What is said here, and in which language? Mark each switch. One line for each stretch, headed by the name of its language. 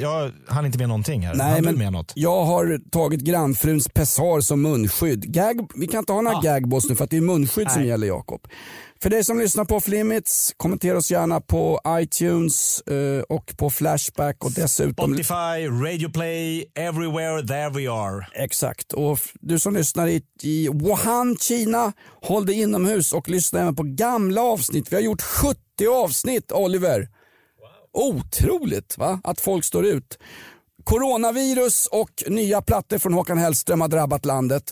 Swedish: Jag har inte med någonting här. Nej, men med något? Jag har tagit grannfruns pessar som munskydd. Vi kan inte ha några gagballs nu för att det är munskydd som gäller, Jakob. För dig som lyssnar på Off Limits, kommentera oss gärna på iTunes och på Flashback och dessutom...
English: Spotify, Radio Play, everywhere, there we are.
Swedish: Exakt. Och du som lyssnar i Wuhan, Kina, håll dig inomhus och lyssna även på gamla avsnitt. Vi har gjort 70 avsnitt, Oliver. Wow. Otroligt, va? Att folk står ut. Coronavirus och nya plattor från Håkan Hellström har drabbat landet.